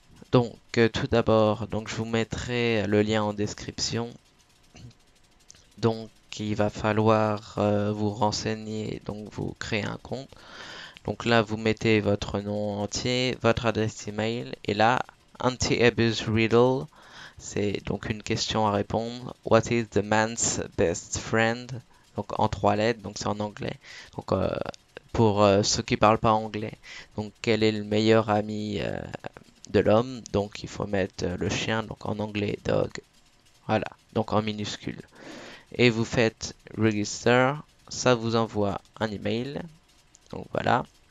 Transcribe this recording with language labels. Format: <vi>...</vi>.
<fr>Tout d'abord, je vous mettrai le lien en description. Il va falloir vous renseigner, donc vous créez un compte. Donc là, vous mettez votre nom entier, votre adresse email et là,</fr> <en>anti-abuse riddle,</en> <fr>c'est donc une question à répondre.</fr> <en>What is the man's best friend?</en> <fr>Donc en trois lettres, donc c'est en anglais. Pour ceux qui parlent pas anglais, donc quel est le meilleur ami de l'homme? Donc il faut mettre le chien, donc en anglais dog. Voilà, donc en minuscule. Et vous faites register, ça vous envoie un email. Donc voilà.</fr>